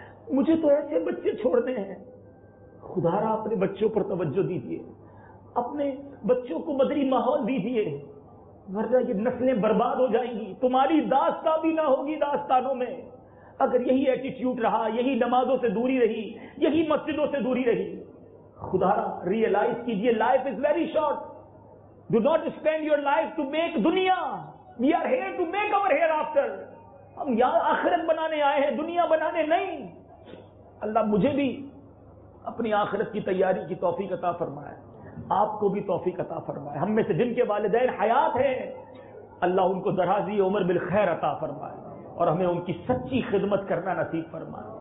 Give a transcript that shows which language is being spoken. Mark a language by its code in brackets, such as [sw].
[ur] مجھے تو ایسے بچے چھوڑنے ہیں۔ خدا را اپنے بچوں پر توجہ دیجیے، اپنے بچوں کو مدری ماحول دیجیے، ورنہ یہ نسلیں برباد ہو جائیں گی، تمہاری داستان بھی نہ ہوگی داستانوں میں۔ اگر یہی ایٹیٹیوڈ رہا، یہی نمازوں سے دوری رہی، یہی مسجدوں سے دوری رہی، خدا را ریئلائز کیجیے، [en] life is very short, do not spend your life to make [ur] دنیا، [en] We are here to make our hereafter. [ur] ہم یہاں آخرت بنانے آئے ہیں, دنیا بنانے نہیں. اللہ مجھے بھی اپنی آخرت کی تیاری کی توفیق عطا فرمائے, آپ کو بھی توفیق عطا فرمائے. ہم میں سے جن کے والدین حیات ہیں اللہ ان کو درازی عمر بالخیر عطا فرمائے اور ہمیں ان کی سچی خدمت کرنا نصیب فرمائے.